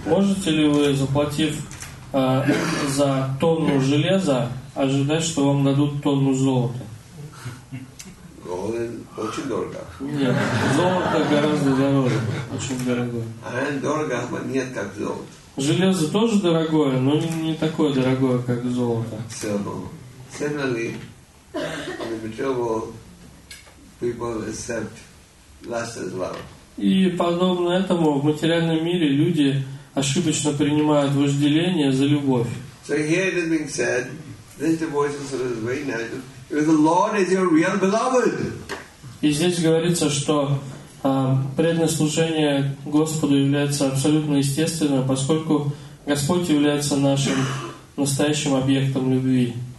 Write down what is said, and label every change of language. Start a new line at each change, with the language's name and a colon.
Russian: Можете ли вы, заплатив за тонну железа, ожидать, что вам дадут тонну золота?
English: Gold is
Russian: очень дорого. Нет, золото гораздо дороже, очень дорогое.
English: Iron
Russian: дорого, но нет как золото. Железо тоже дорогое, но не такое дорогое, как золото.
English: Similarly, in the material world, people accept lust as love.
Russian: И подобно этому в материальном мире люди ошибочно принимают вожделение за любовь.
English: So here it is being said. This devotional service is very natural. If the Lord is your real beloved.
Russian: И здесь говорится, что преданное служение Господу является абсолютно естественным, поскольку Господь является нашим настоящим объектом любви.